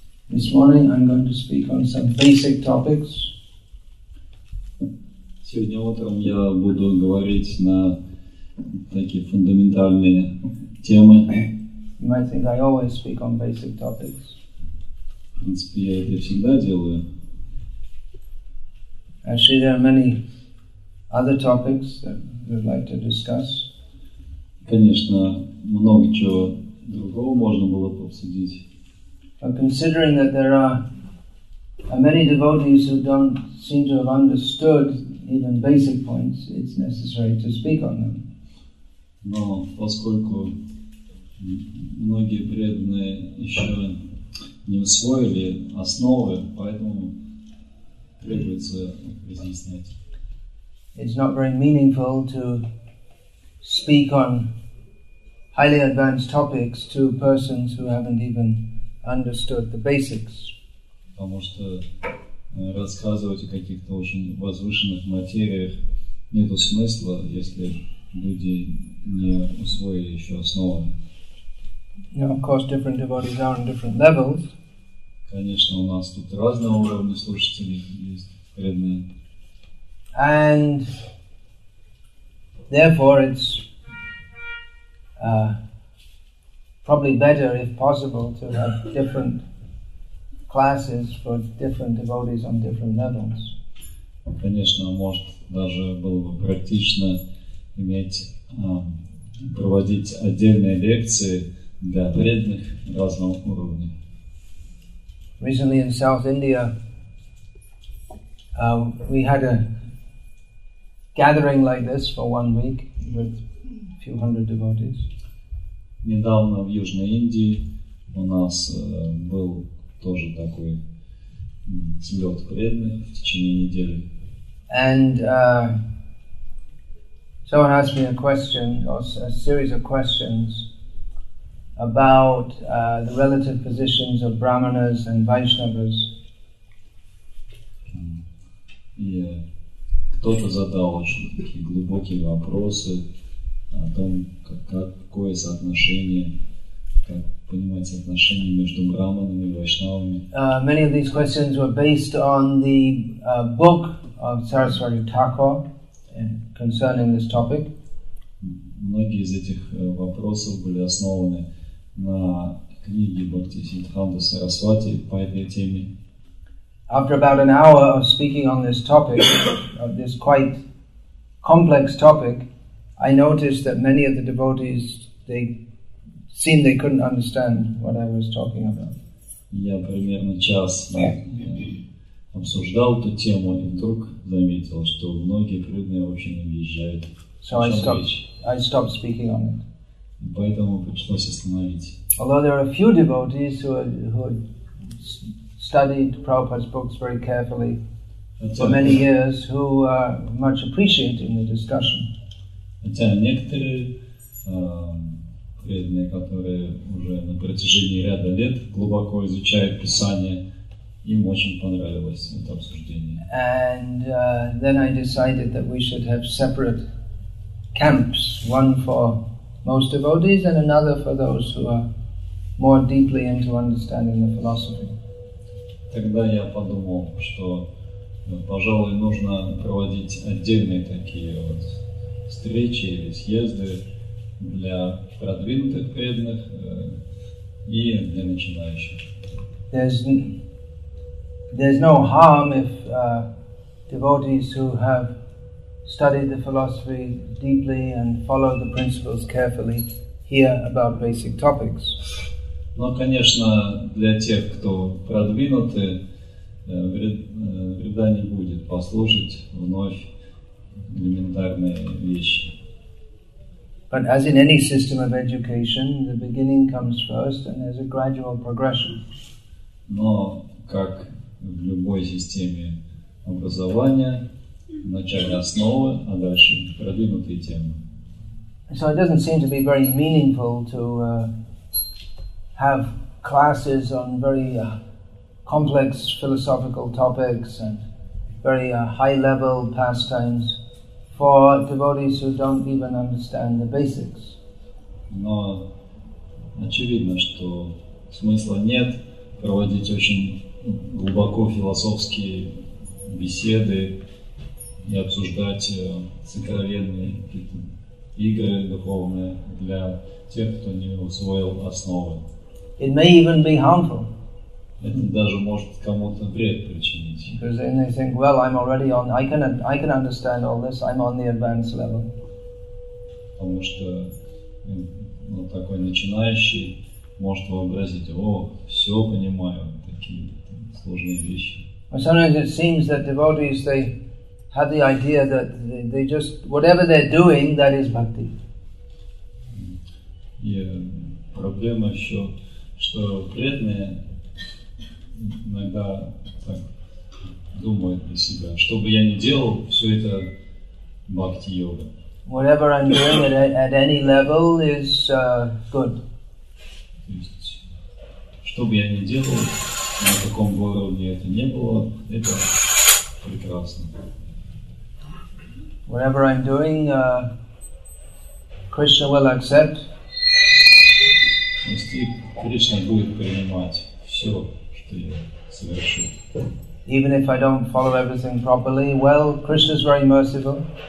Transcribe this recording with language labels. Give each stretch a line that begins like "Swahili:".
English: This morning I'm going to speak on some basic topics.
Russian: Сегодня утром я буду говорить на такие фундаментальные темы.
English: You might think I always speak on basic topics.
Russian: В принципе, я это всегда делаю.
English: Actually, there are many other topics that we'd like to discuss.
Russian: Конечно, много чего другого можно было бы обсудить.
English: But considering that there are many devotees who don't seem to have understood even basic points, it's necessary to speak on them.
Russian: Но поскольку многие преданные еще не усвоили основы, поэтому требуется разъяснять.
English: It's not very meaningful to speak on highly advanced topics to persons who haven't even understood the basics.
Russian: Потому что рассказывать о каких-то очень возвышенных материях нету смысла, если люди не усвоили еще основы.
English: Now, of course, different devotees are on different levels.
Russian: Конечно, у нас тут разные уровни слушателей есть преданные.
English: And therefore, it's probably better, if possible, to have different classes for different devotees on different levels.
Russian: Конечно, может даже было бы практично иметь проводить отдельные лекции для преданных разного уровня.
English: Recently in South India, we had a gathering like this for 1 week with a few hundred devotees.
Russian: Недавно в Южной Индии у нас был тоже такой слёт преданных в течение недели.
English: And someone asked me a question, or a series of questions, about the relative positions of brahmanas and vaishnavas.
Russian: И кто-то задал очень такие глубокие вопросы о том, какое соотношение, как понимать отношения между брахманами и вайшнавами.
English: Many of these questions were based on the book of Saraswati Thakur concerning this topic.
Russian: Многие из этих вопросов были основаны на книге Бхактисиддханта Сарасвати по этой теме.
English: After about an hour of speaking on this topic, of this quite complex topic, I noticed that many of the devotees, they seemed they couldn't understand what I was talking about.
Russian: Я примерно час обсуждал эту тему и вдруг заметил, что многие преданные вообще не въезжают.
English: So I stopped speaking on it.
Russian: Поэтому пришлось остановить.
English: Although there are a few devotees who studied Prabhupada's books very carefully for many years, who are much appreciating the discussion.
Russian: Хотя некоторые преданные, которые уже на протяжении ряда лет глубоко изучают Писание, им очень понравилось это обсуждение.
English: And then I decided that we should have separate camps, one for most devotees and another for those who are more deeply into understanding the philosophy.
Russian: Тогда я подумал, что, пожалуй, нужно проводить отдельные такие вот встречи или съезды для продвинутых преданных и для начинающих.
English: There's no harm if devotees who have studied the philosophy deeply and followed the principles carefully hear about basic topics.
Russian: Но, конечно, для тех, кто продвинуты, вреда не будет послушать вновь элементарные вещи.
English: But as in any system of education, the beginning comes first and there's a gradual progression.
Russian: Но как в любой системе образования, начальные основы, а дальше продвинутые темы.
English: So it doesn't seem to be very meaningful to have classes on very complex philosophical topics and very high-level pastimes for devotees who don't even understand the basics.
Russian: Но очевидно, что смысла нет проводить очень глубоко философские беседы и обсуждать сокровенные какие-то игры духовные для тех, кто не усвоил основы.
English: It may even be harmful.
Russian: Это даже может кому-то вред причинить.
English: Because then they think, well, I'm already on, I can understand all this, I'm on the advanced level.
Russian: Потому что ну, такой начинающий может вообразить, о, все понимаю, такие сложные вещи.
English: But sometimes it seems that devotees, they have the idea that they just, whatever they're doing, that is bhakti.
Russian: И проблема еще, что преданные иногда так думают для себя, что бы я ни делал, все это бхакти-йога.
English: Whatever I'm doing at any level is good.
Russian: То есть, что бы я ни делал, на каком бы уровне это ни было, это прекрасно.
English: Whatever I'm doing, Krishna will accept.
Russian: Если Кришна будет принимать все, что я совершу.
English: Even if I don't follow everything properly, well, Krishna is very merciful.